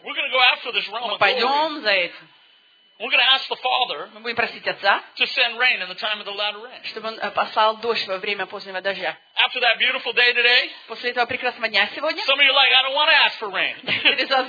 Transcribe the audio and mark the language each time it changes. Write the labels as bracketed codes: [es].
[en] We're going to go after this realm of glory. [ru] Мы пойдем за этим. [en] We're going to ask the Father [ru] мы будем просить Отца [en] to send rain in the time of the latter rain. [ru] Чтобы он послал дождь во время позднего дождя. [en] After that beautiful day today, [ru] после этого прекрасного дня сегодня, [en] some of you are like, I don't want to ask for rain.